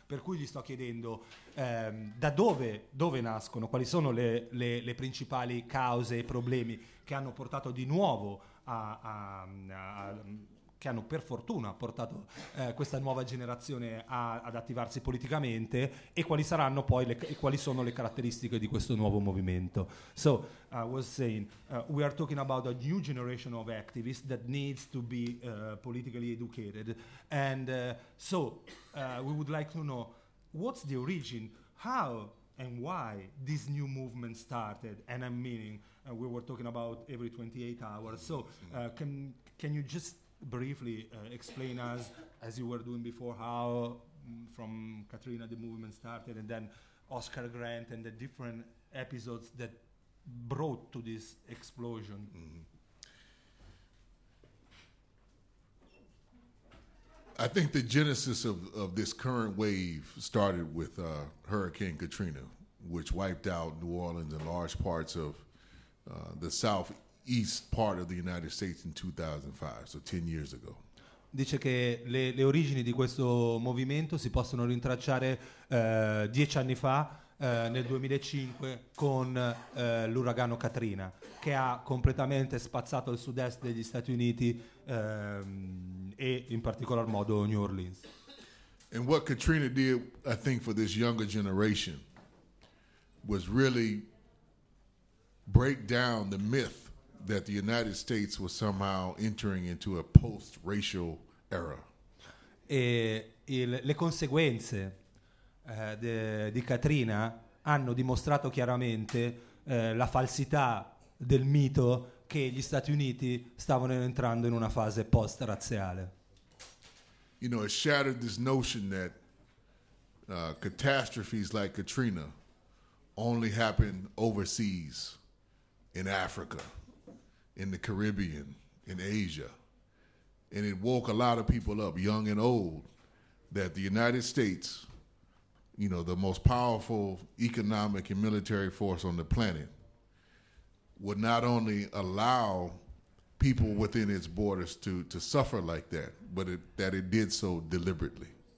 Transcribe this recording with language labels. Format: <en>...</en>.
<it>Per cui gli sto chiedendo da dove nascono, quali sono le principali cause e problemi che hanno portato di nuovo che hanno per fortuna portato questa nuova generazione ad attivarsi politicamente, e quali saranno poi quali sono le caratteristiche di questo nuovo movimento.</it> <en>So I was saying we are talking about a new generation of activists that needs to be politically educated, and we would like to know what's the origin, how and why this new movement started, and I'm meaning we were talking about every 28 hours. So can you just briefly explain us, as you were doing before, how from Katrina the movement started, and then Oscar Grant and the different episodes that brought to this explosion. Mm-hmm. I think the genesis of this current wave started with Hurricane Katrina, which wiped out New Orleans and large parts of the South East part of the United States in 2005, so 10 years ago.</en> <it>Dice che le origini di questo movimento si possono rintracciare 10 anni fa, nel 2005, con l'uragano Katrina, che ha completamente spazzato il sud-est degli Stati Uniti e in particolar modo New Orleans.</it> <en>And what Katrina did, I think, for this younger generation was really break down the myth that the United States was somehow entering into a post-racial era.</en> <it>E le conseguenze di Katrina hanno dimostrato chiaramente la falsità del mito che gli Stati Uniti stavano entrando in una fase post-razziale.</it> <en>You know, it shattered this notion that catastrophes like Katrina only happen overseas in Africa, in the Caribbean, in Asia. And it woke a lot of people up, young and old, that the United States, you know, the most powerful economic and military force on the planet, would not only allow people within its borders to suffer like that, but it, that it did so deliberately.</en>